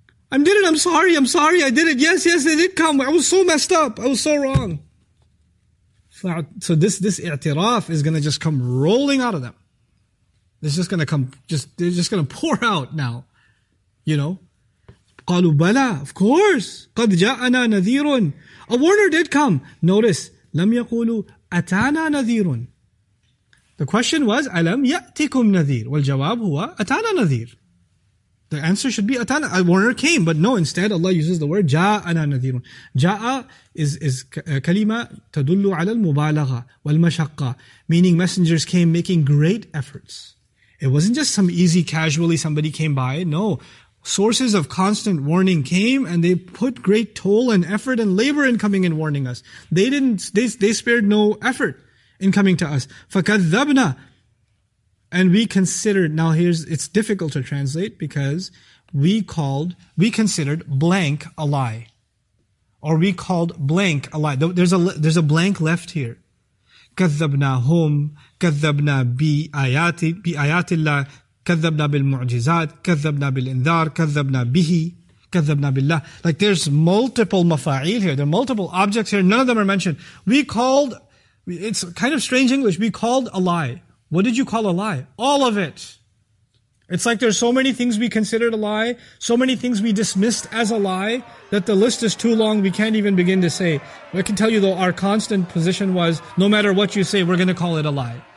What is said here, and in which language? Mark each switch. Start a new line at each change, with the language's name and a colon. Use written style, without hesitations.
English: I did it. I'm sorry. I did it. Yes, yes, they did come. I was so messed up. I was so wrong. So this i'tiraf is going to just come rolling out of them. It's just going to come, they're just going to pour out now. You know?
Arabic: قَالُوا بَلَىٰ
English: Of course.
Arabic: قَدْ جَاءَنَا نَذِيرٌ
English: A warner did come. Notice,
Arabic: لَمْ يَقُولُوا أَتَانَا نَذِيرٌ
English: The question was,
Arabic: أَلَمْ يَأْتِكُمْ نَذِيرٌ وَالْجَوَابُ هُوَ أَتَانَا نَذِيرٌ
English: The answer should be
Arabic: أَتَانَا,
English: a warner came. But no, instead Allah uses the word
Arabic: جَاءَنَا نَذِيرٌ جَاءَ
English: is
Arabic: كَلِمَة تَدُلُّ عَلَى الْمُبَالَغَةِ وَالْمَشَقَّةِ
English: Meaning messengers came making great efforts. It wasn't just some easy casually somebody came by. No. Sources of constant warning came and they put great toll and effort and labor in coming and warning us. They spared no effort in coming to us. فَكَذَّبْنَا And we considered, now here's, it's difficult to translate because we considered blank a lie. Or we called blank a lie. There's a blank left here.
Arabic: كَذَّبْنَا هُمْ كَذَّبْنَا بِآيَاتِ اللَّهِ كَذَّبْنَا بِالْمُعْجِزَاتِ كَذَّبْنَا بِالْإِنذَارِ كَذَّبْنَا بِهِ كَذَّبْنَا بِاللَّهِ
English: Like there's multiple mafa'il here. There are multiple objects here. None of them are mentioned. We called, it's kind of strange English, we called a lie. What did you call a lie? All of it. It's like there's so many things we considered a lie, so many things we dismissed as a lie, that the list is too long, we can't even begin to say. I can tell you though, our constant position was, no matter what you say, we're going to call it a lie.